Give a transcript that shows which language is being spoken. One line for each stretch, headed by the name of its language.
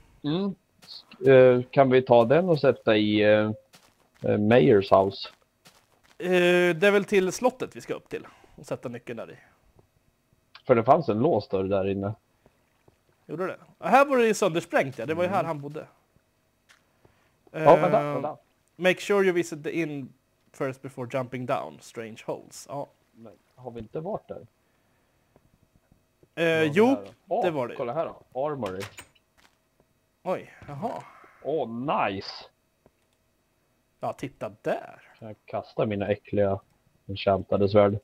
Swedish: Mm. Kan vi ta den och sätta i...
English: Mayor's house.
Swedish: Det är väl till slottet vi ska upp till. Och sätta nyckeln där i. För det fanns en låsdörr där inne. Gjorde det? Och här var det ju söndersprängt, ja. Det var ju här han bodde. Vänta.
English: Make sure you visit the inn first before jumping down. Strange holes.
Swedish: Ja. Men har vi inte varit där? Det var det. Kolla här då. Armory. Oj, jaha. Åh, nice. Ja, titta där. Jag kastar mina äckliga enchantade svärd.